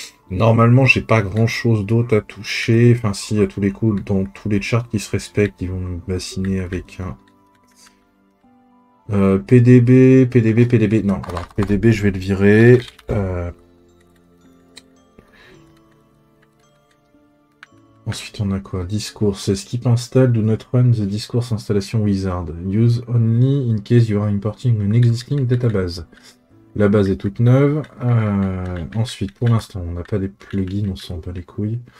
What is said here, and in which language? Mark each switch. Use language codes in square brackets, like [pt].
[fr] Normalement j'ai pas grand chose d'autre à toucher, enfin si à tous les coups dans tous les charts qui se respectent ils vont me bassiner avec un PDB non alors PDB je vais le virer Ensuite, on a quoi? [en] Discourse. Skip install, do not run the discourse installation wizard. Use only in case you are importing an existing database. [fr] La base est toute neuve. Ensuite, pour l'instant, on n'a pas des plugins, on s'en bat les couilles.